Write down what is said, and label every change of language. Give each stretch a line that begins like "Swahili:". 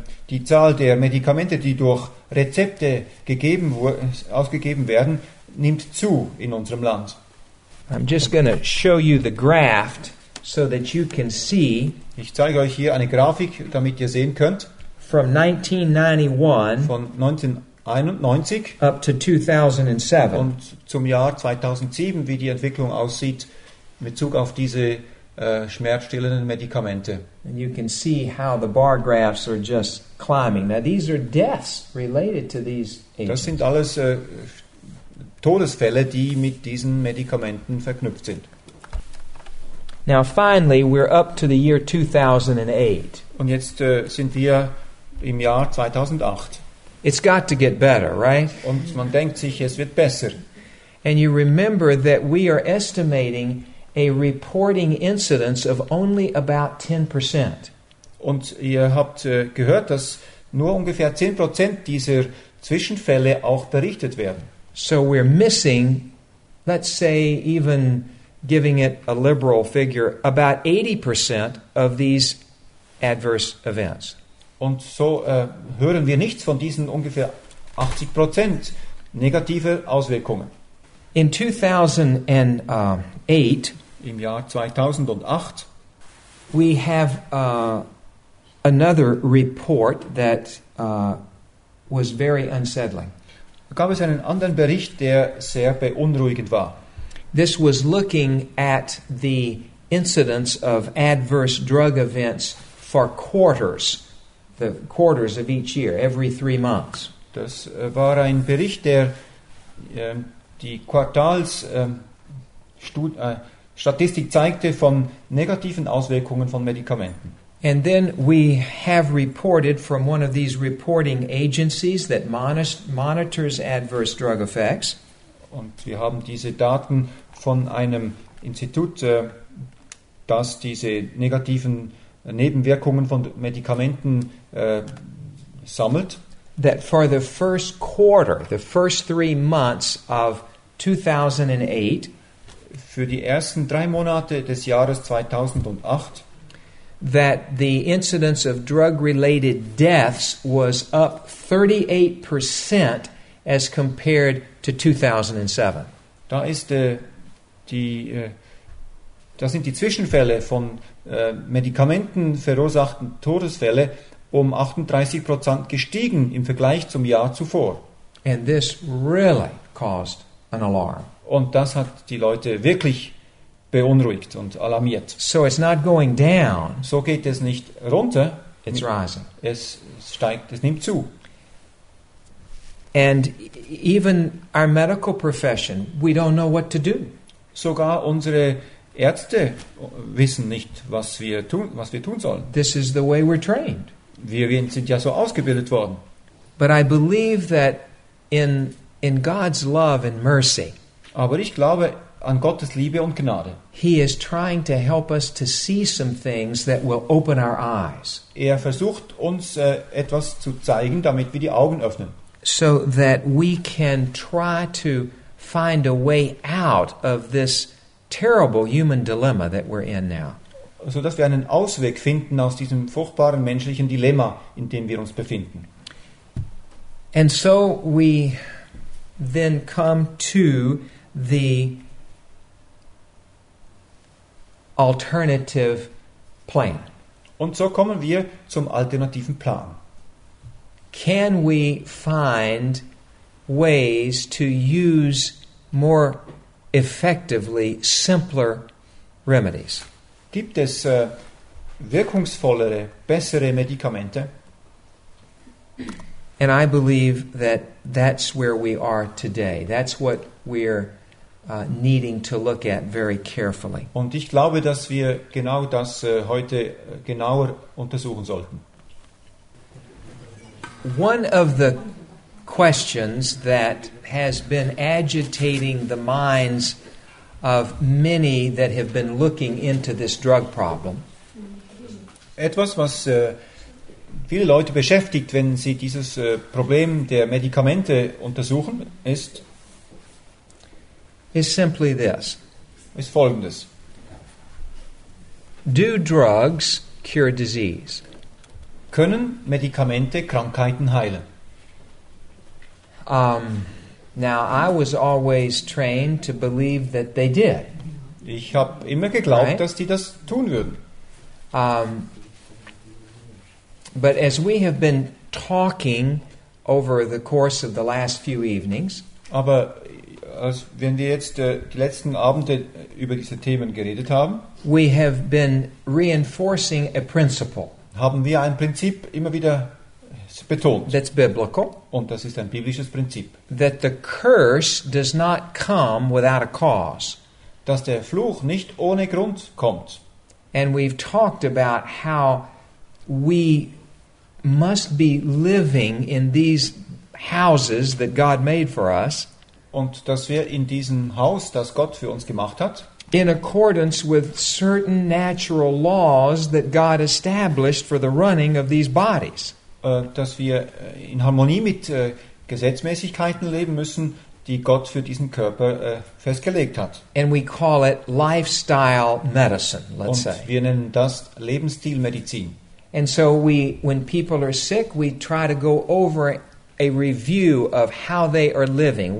German: Die Zahl der Medikamente, die durch Rezepte ausgegeben werden, nimmt zu in unserem Land.
English: I'm just going to show you the graph so that you can see.
German: Ich zeige euch hier eine Grafik, damit ihr sehen könnt.
English: From 1991.
German: Von 1991
English: up to 2007.
German: Und zum Jahr 2007, wie die Entwicklung aussieht in Bezug auf diese schmerzstillenden Medikamente.
English: And you can see how the bar graphs are just climbing. Now these are deaths related to these agents.
German: Das sind alles Todesfälle, die mit diesen Medikamenten verknüpft sind.
English: Now finally we're up to the year 2008.
German: Und jetzt sind wir im Jahr 2008.
English: It's got to get better, right?
German: Und man denkt sich, es wird besser.
English: And you remember that we are estimating a reporting incidence of only about 10%.
German: Und ihr habt gehört, dass nur ungefähr 10% dieser Zwischenfälle auch berichtet werden.
English: So we're missing, let's say even giving it a liberal figure, about 80% of these adverse events.
German: Und so hören wir nichts von diesen ungefähr 80% negative Auswirkungen.
English: In 2008,
German: im Jahr 2008,
English: we have another report that was very unsettling.
German: Gab es einen anderen Bericht, der sehr beunruhigend war.
English: This was looking at the incidence of adverse drug events for quarters, the quarters of each year, every 3 months.
German: Das war ein Bericht, der die Quartalsstatistik zeigte von negativen Auswirkungen von Medikamenten.
English: And then we have reported from one of these reporting agencies that monitors adverse drug effects.
German: Und wir haben diese Daten von einem Institut, das diese negativen Nebenwirkungen von Medikamenten sammelt.
English: That for the first quarter, the first 3 months of 2008,
German: für die ersten 3 Monate des Jahres 2008,
English: that the incidence of drug-related deaths was up 38% as compared to 2007.
German: Da ist da sind die Zwischenfälle von Medikamenten verursachten Todesfälle um 38% gestiegen im Vergleich zum Jahr zuvor.
English: And this really caused an alarm.
German: Und das hat die Leute wirklich beunruhigt und alarmiert.
English: So it's not going down.
German: So geht es nicht runter.
English: It's rising.
German: Es steigt, es nimmt zu.
English: And even our medical profession, we don't know what to do.
German: Sogar unsere Ärzte wissen nicht, was wir tun sollen.
English: This is the way we're trained.
German: Wir sind ja so ausgebildet worden.
English: But I believe that in God's love and mercy.
German: Aber ich glaube an Gottes Liebe und Gnade.
English: He is trying to help us to see some things that will open our eyes.
German: Er versucht uns etwas zu zeigen, damit wir die Augen öffnen.
English: So that we can try to find a way out of this terrible human dilemma that we're in now.
German: So dass wir einen Ausweg finden aus diesem furchtbaren menschlichen Dilemma, in dem wir uns befinden.
English: And so we then come to the alternative plan.
German: Und so kommen wir zum alternativen Plan.
English: Can we find ways to use more effectively simpler remedies?
German: Gibt es wirkungsvollere, bessere Medikamente?
English: And I believe that that's where we are today. That's what we're needing to look at very carefully.
German: Und ich glaube, dass wir genau das heute genauer untersuchen sollten.
English: One of the questions that has been agitating the minds of many that have been looking into this drug problem.
German: Etwas, was viele Leute beschäftigt, wenn sie dieses Problem der Medikamente untersuchen,
English: is simply this.
German: Ist folgendes.
English: Do drugs cure disease?
German: Können Medikamente Krankheiten heilen?
English: Now I was always trained to believe that they did.
German: Ich habe immer geglaubt, right? Dass die das tun würden.
English: But as we have been talking over the course of the last few evenings,
German: aber wenn wir jetzt die letzten Abende über diese Themen geredet haben,
English: we have been reinforcing a principle.
German: Haben wir ein Prinzip immer wieder betont.
English: That's biblical.
German: Und das ist ein biblisches Prinzip.
English: That the curse does not come without a cause.
German: Dass der Fluch nicht ohne Grund kommt.
English: And we've talked about how we must be living in these houses that God made for us.
German: Und dass wir in diesem Haus, das Gott für uns gemacht hat,
English: in accordance with certain natural laws that God established for the running of these bodies.
German: Dass wir in Harmonie mit Gesetzmäßigkeiten leben müssen, die Gott für diesen Körper festgelegt hat.
English: And we call it lifestyle medicine, let's say.
German: Und wir nennen das Lebensstilmedizin.
English: And so we, when people are sick, we try to go over a review of how they are living.